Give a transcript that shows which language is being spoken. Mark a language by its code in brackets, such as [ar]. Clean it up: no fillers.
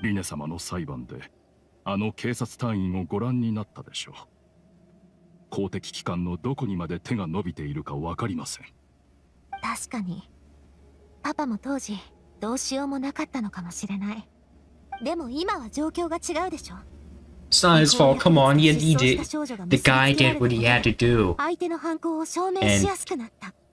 [ja] リネ様の裁判であの警察隊員をご覧になったでしょう。公的機関のどこにまで手が伸びているか分かりません。確かにパパも当時どうしようもなかったのかもしれない。でも今は状況が違うでしょ。 [en] It's not his fault. Come on, he did. The guy did what he had to do. [ja] 相手の犯行を証明しやすくなった。